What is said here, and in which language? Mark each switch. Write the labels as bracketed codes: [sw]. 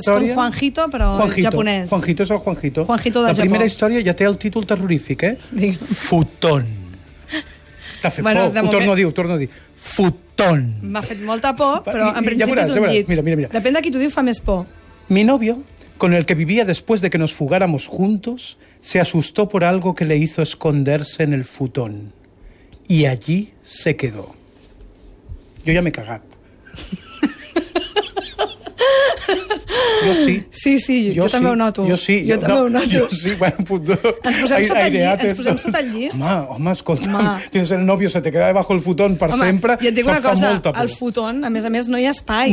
[ca] és com Juanjito, però Juanjito, japonès. Juanjito és el Juanjito. Juanjito de la Japó. Primera història ja té el títol terrorífic, Futon. T'ha fet bueno, por. Ho torno a dir. Futon. M'ha fet molta por, però en principi ja veuràs, és un llit. Mira. Depèn de qui t'ho diu, fa més por. [es] Mi novio... con el que vivía después de que nos fugáramos juntos, se asustó por algo que le hizo esconderse en el futón. Y allí se quedó. Yo ya me he cagat. [ca] Jo sí. Sí, sí, jo sí. També ho noto. Jo sí. Jo també ho noto. Jo sí, [es] bueno, punto. [ca] Ens posem sota el llit? Home, escolta, [es] tienes el novio, se te queda debajo el futón per [ca] home, sempre. I et dic una cosa, el futón, a més no hi ha espai.